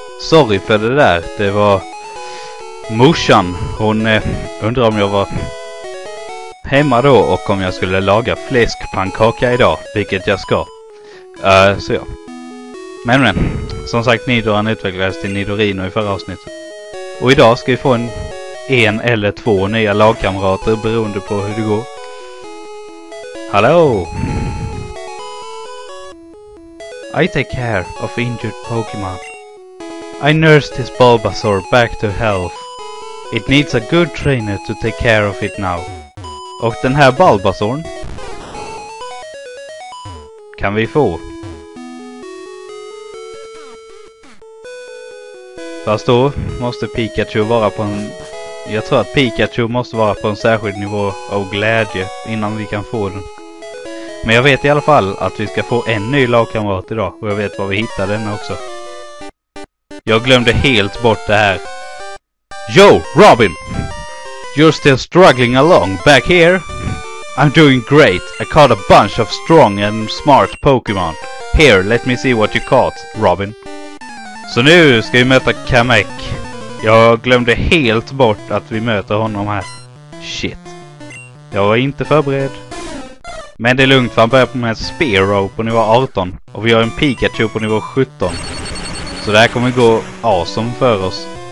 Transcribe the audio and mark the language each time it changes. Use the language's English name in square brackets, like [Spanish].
[Swedish] Sorry för det där, det var morsan, hon undrar om jag var hemma då och om jag skulle laga fläskpannkaka idag, vilket jag ska. Men, som sagt, Nidoran utvecklades till Nidorino i förra avsnittet. Och idag ska vi få en eller två nya lagkamrater beroende på hur det går. Hallå! [English] I take care of injured Pokémon. I nursed his Bulbasaur back to health. It needs a good trainer to take care of it now. [Swedish] Och den här Bulbasaurn kan vi få. Fast då måste Pikachu vara på en... Jag tror att Pikachu måste vara på en särskild nivå av glädje innan vi kan få den. Men jag vet i alla fall att vi ska få en ny lagkamrat idag. Och jag vet var vi hittar den också. Jag glömde helt bort det här. [English] Yo, Robin! You're still struggling along back here? I'm doing great. I caught a bunch of strong and smart Pokémon. Here, let me see what you caught, Robin. [Swedish] Så nu ska vi möta Kamek. Jag glömde helt bort att vi möter honom här. Shit. Jag var inte förberedd. Men det är lugnt, för han börjar med Spearow på nivå 18. Och vi har en Pikachu på nivå 17. Så det här kommer gå awesome för oss.